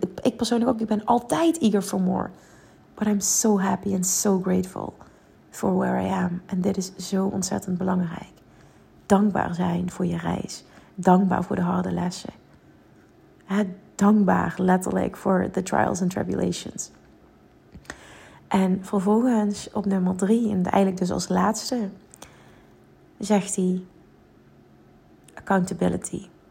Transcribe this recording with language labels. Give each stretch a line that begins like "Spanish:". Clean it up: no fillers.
Dutch: Ik persoonlijk ook, ik ben altijd
English: eager for more. But I'm so happy and so grateful for where I am.
Dutch: En dit is zo ontzettend belangrijk. Dankbaar zijn voor je reis. Dankbaar voor de harde lessen. Dankbaar letterlijk voor de
English: trials and tribulations.
Dutch: En vervolgens op nummer 3, en eigenlijk dus als laatste, zegt hij accountability.